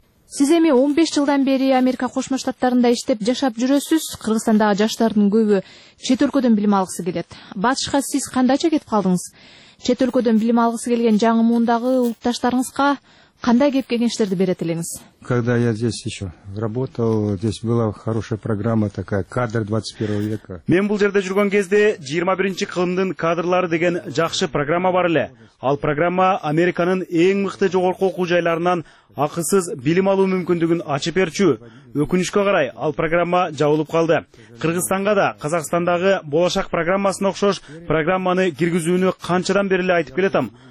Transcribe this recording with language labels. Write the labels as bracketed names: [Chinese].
[Kyrgyz] Сиз эми 15 жылдан бери Америка Кошмо Штаттарында иштеп жашап жүрөсүз. Кыргызстандагы жаштардын көбү чет өлкөдөн билим алгысы келет. Батышка сиз кандайча кетип калдыңыз? Чет өлкөдөн билим алгысы келген жаңы муундагы улутташтарыңызга кандай кеп кеңештерди берет элеңиз? [Russian] Когда я здесь еще работал, здесь была хорошая программа такая, кадр 21 века. [Kyrgyz] Мен бул жерде жүргөн кезде 21-чи кылымдын кадрлары деген жакшы программа бар эле. Ал программа Американын эң мыкты жогорку окуу жайларынан акысыз билим алуу мүмкүндүгүн ачып берчү. Өкүнүчкө карай, ал программа жабылып калды. Кыргызстанга да Казакстандагы болашак программасына окшош программаны киргизүүнү канчадан бери эле айтып келатам.